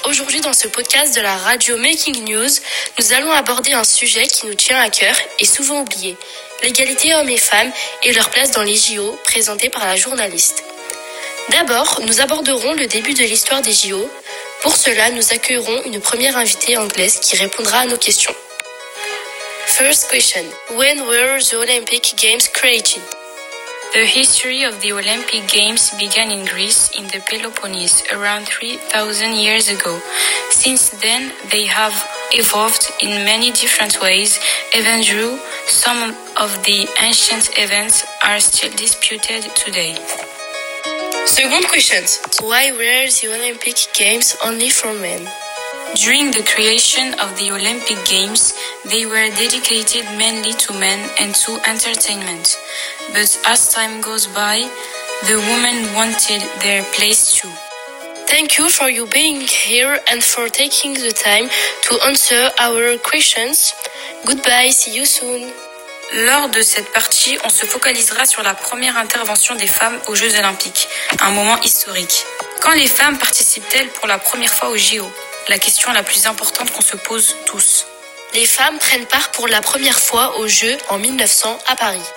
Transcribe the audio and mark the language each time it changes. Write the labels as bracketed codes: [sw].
[fr] Aujourd'hui, dans ce podcast de la radio Making News, nous allons aborder un sujet qui nous tient à cœur et souvent oublié. L'égalité hommes et femmes et leur place dans les JO, présentée par la journaliste. D'abord, nous aborderons le début de l'histoire des JO. Pour cela, nous accueillerons une première invitée anglaise qui répondra à nos questions. [en] First question. When were the Olympic Games created? The history of the Olympic Games began in Greece in the Peloponnese around 3,000 years ago. Since then, they have evolved in many different ways. Even though some of the ancient events are still disputed today. Second question. Why were the Olympic Games only for men? During the creation of the Olympic Games, they were dedicated mainly to men and to entertainment. But as time goes by, the women wanted their place too. Thank you for you being here and for taking the time to answer our questions. Goodbye, see you soon. [fr] Lors de cette partie, on se focalisera sur la première intervention des femmes aux Jeux Olympiques, un moment historique. Quand les femmes participent-elles pour la première fois aux JO ? La question la plus importante qu'on se pose tous. Les femmes prennent part pour la première fois aux Jeux en 1900 à Paris.